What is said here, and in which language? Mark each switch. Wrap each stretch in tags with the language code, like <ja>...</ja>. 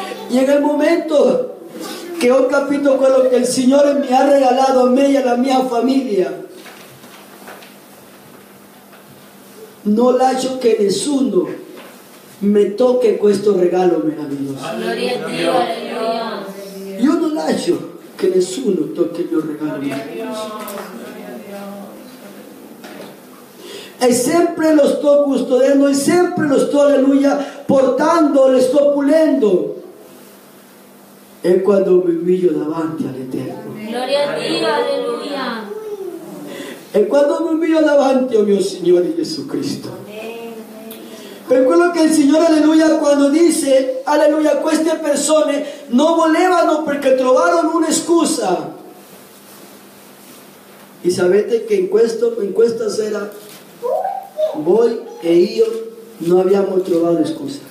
<es>Y en el momento que yo capito con lo que el Señor me ha regalado a mí y a la mía familia, no la hecho que ninguno me toque</es> <it>questo regalo meraviglioso. Gloria a Dio, aleluya. Io non lascio che nessuno tocchi il mio regalo. Gloria a Dio, gloria a Dio. E sempre lo sto custodendo, e sempre lo sto, aleluya, portando, lo sto pulendo. È quando mi umilio davanti all'Eterno. Gloria a Dio, aleluya. È quando mi umilio davanti al mio Signore Jesucristo.</it> <es>Recuerdo que el Señor, aleluya, cuando dice, aleluya, con estas personas no volevan porque trovaron una excusa. Y sabete que en esta sera, voy e yo no habíamos trovado excusa.</es>